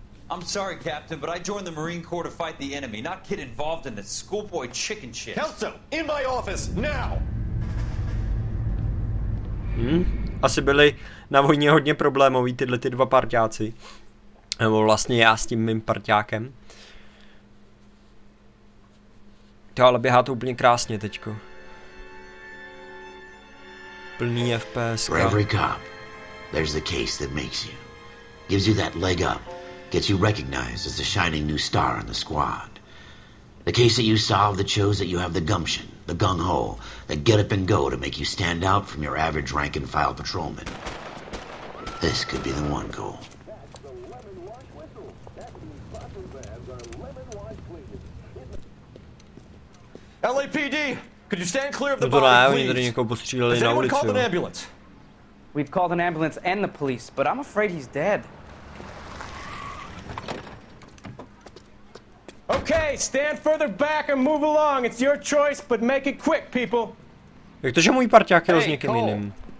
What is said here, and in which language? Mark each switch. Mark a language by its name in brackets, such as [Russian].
[English] I'm sorry, Captain, but I joined the Marine Corps to fight the enemy, not get involved in this schoolboy chicken shit. Kelso, in my office, now! [Czech] Asi byli na vojně hodně problémoví tyhle ty dva parťáci. Nebo vlastně já s tím mým parťákem. To ale běhá to úplně krásně teďko. Plný FPS. [English] For every cop, there's the case that makes you. Gives you that leg up. Gets you recognized as the shining new star in the squad. The case that you solve that shows that you have the gumption. The gung-ho, the get-up-and-go to make you stand out from your average rank-and-file patrolman. This could be the one goal. LAPD, could you stand clear of the body, please? Has anyone called an ambulance? We've called an ambulance and the police, but I'm afraid he's dead. Okay, stand further back and move along. It's your choice, but make it quick, people. [Czech] Jak to, že můj parťák je s někým jiným?